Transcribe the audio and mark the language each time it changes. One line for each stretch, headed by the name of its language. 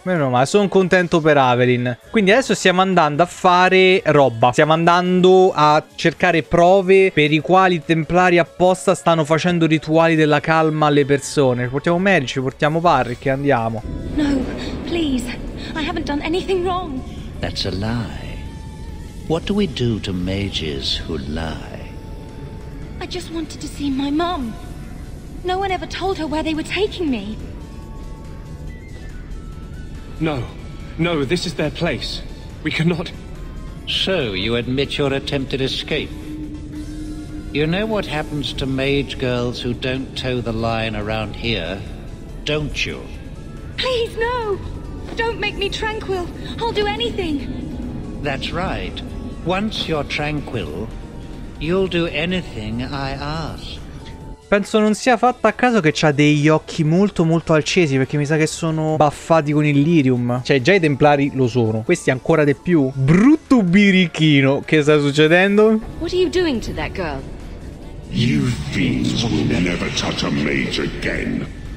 Italian: Meno male, sono contento per Avelin. Quindi adesso stiamo andando a fare roba. Stiamo andando a cercare prove per i quali i templari apposta stanno facendo rituali della calma alle persone. Ci portiamo Mary, ci portiamo Parry, che andiamo.
English: No, please. I haven't done anything wrong. That's a lie. What do we do to mages who lie? I just wanted to see my mom. No one ever told her where they were taking me. No. No, this is their place. We cannot... So, you admit your attempted escape. You know what happens to mage girls who don't toe the line around here, don't you? Please, no! Don't make me tranquil. I'll do anything. That's right. Once you're tranquil, you'll do anything I ask.
Italian: Penso non sia fatto a caso che c'ha degli occhi molto molto accesi, perché mi sa che sono baffati con il lirium. Cioè, già i templari lo sono, questi ancora di più. Brutto birichino, che sta succedendo?
English: What are you doing to that girl? You fiends will never touch a mage again.